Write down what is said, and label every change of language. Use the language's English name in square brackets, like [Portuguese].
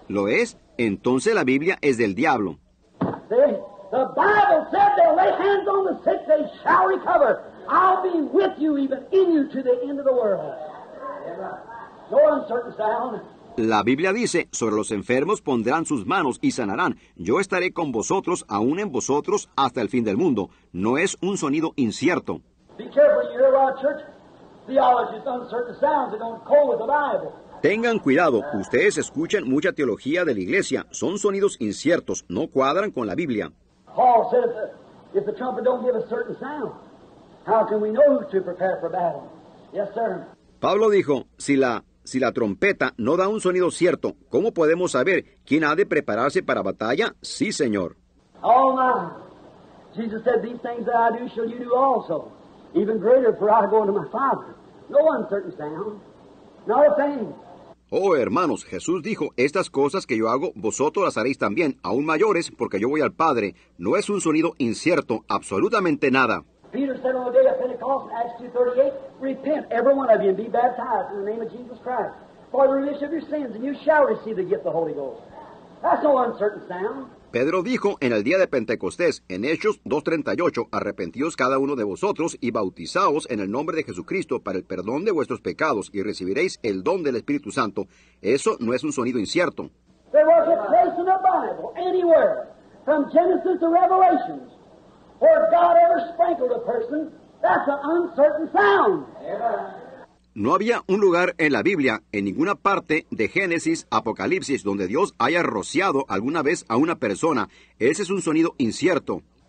[Spanish] Lo es, entonces la Biblia es del diablo. [English] See, the Bible said they'll lay hands on the sick, they shall recover. I'll be with you, even in you, to the end of the world. No uncertain sound. [Spanish] La Biblia dice, sobre los enfermos pondrán sus manos y sanarán. Yo estaré con vosotros, aún en vosotros, hasta el fin del mundo. No es un sonido incierto. [English] Be careful, you hear a lot of church theology's uncertain sounds that don't call with the Bible. [Spanish] Tengan cuidado, ustedes escuchan mucha teología de la iglesia, son sonidos inciertos, no cuadran con la Biblia. [English] Paul said, if the trumpet don't give a certain sound, how can we know to prepare for battle? Yes, sir. [Spanish] Pablo dijo, si la trompeta no da un sonido cierto, ¿cómo podemos saber quién ha de prepararse para batalla? Sí, Señor. [English] Oh, my. Jesus said, these things that I do shall you do also, even greater, for I go unto my Father. No uncertain sound, not a thing. [Spanish] Oh, hermanos, Jesús dijo, estas cosas que yo hago, vosotros las haréis también, aún mayores, porque yo voy al Padre. No es un sonido incierto, absolutamente nada. [English] Peter said on the day of Pentecost, Acts 2:38, repent, every one of you, and be baptized in the name of Jesus Christ, for the remission of your sins, and you shall receive the gift of the Holy Ghost. That's no uncertain sound. [Spanish] Pedro dijo en el día de Pentecostés, en Hechos 2:38, arrepentíos cada uno de vosotros y bautizaos en el nombre de Jesucristo para el perdón de vuestros pecados y recibiréis el don del Espíritu Santo. Eso no es un sonido incierto. [English] There was a place in the Bible, anywhere, from Genesis to Revelation, where God ever sprinkled a person, that's an uncertain sound. [Spanish] No había un lugar en la Biblia, en ninguna parte de Génesis, Apocalipsis, donde Dios haya rociado alguna vez a una persona. Ese es un sonido incierto.